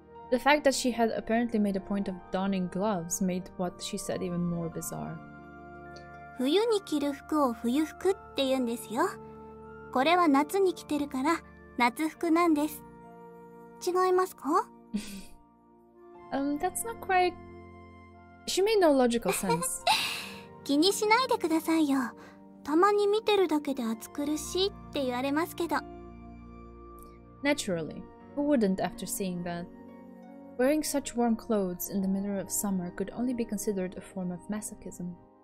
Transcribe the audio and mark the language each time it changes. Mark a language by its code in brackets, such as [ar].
[en] The fact that she had apparently made a point of donning gloves made what she said even more bizarre. [ja] 冬に着る服を冬服って言うんですよ。これは夏に着てるから夏服なんです。違いますか? [en] That's not quite... She made no logical sense. [ja] 気にしないでくださいよ。たまに見てるだけで暑苦しいって言われますけど。 [en] Naturally, who wouldn't after seeing that? Wearing such warm clothes in the middle of summer could only be considered a form of masochism.